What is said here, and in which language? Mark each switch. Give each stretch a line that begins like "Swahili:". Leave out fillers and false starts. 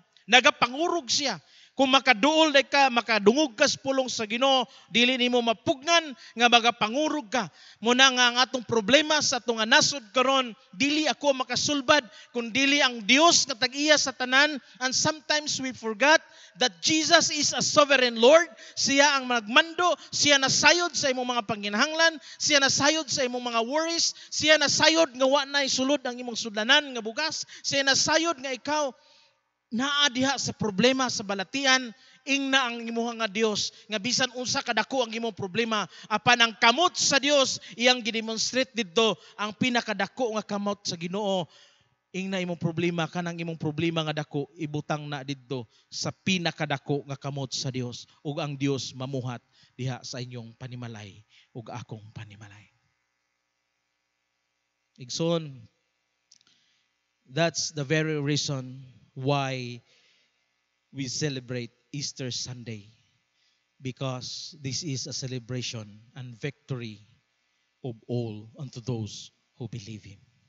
Cebuano: Nagapangurug siya. Kung makaduol na ka, makadungog ka pulong sa Ginoo, dili ni mo mapugnan, nga magapangurug ka. Muna nga ang atong problema sa atong anasod karon, dili ako makasulbad, kundili ang Dios na tag-iya sa tanan.
English: And sometimes we forgot that Jesus is a sovereign Lord.
Cebuano: Siya ang magmando, siya nasayod sa imong mga panginahanglan, siya nasayod sa imong mga worries, siya nasayod nga wa na isulod ang imong sudlanan nga bugas, siya nasayod nga ikaw naadiha sa problema sa balatian, ingna ang imuha nga Dios, nga bisan unsa kadako ang imong problema, apan ang kamot sa Dios, iyang gidemonstrate dito ang pinakadako nga kamot sa Ginoo. Ingna imong problema, kanang imong problema nga dako, ibutang na dito sa pinakadako nga kamot sa Dios, ug ang Dios mamuhat diha sa inyong panimalay, ug akong panimalay.
English: Igsoon, that's the very reason why we celebrate Easter Sunday, because this is a celebration and victory of all unto those who believe Him.